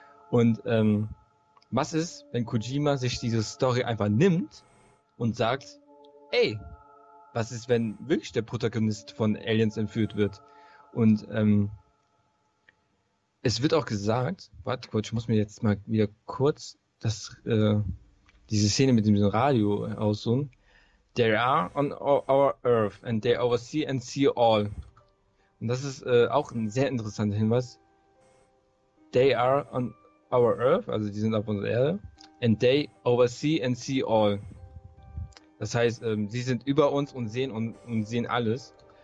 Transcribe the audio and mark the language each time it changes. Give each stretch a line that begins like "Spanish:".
German: Und was ist, wenn Kojima sich diese Story einfach nimmt und sagt, ey, was ist, wenn wirklich der Protagonist von Aliens entführt wird? Und es wird auch gesagt, warte kurz, ich muss mir jetzt mal wieder kurz das, diese Szene mit dem Radio aussuchen.
English: They are on our earth and they oversee and see all.
German: Und das ist auch ein sehr interessanter Hinweis.
English: They are on our earth,
German: also die sind auf unserer Erde,
English: and they oversee and see all.
German: Das heißt, sie sind über uns und sehen und sehen alles.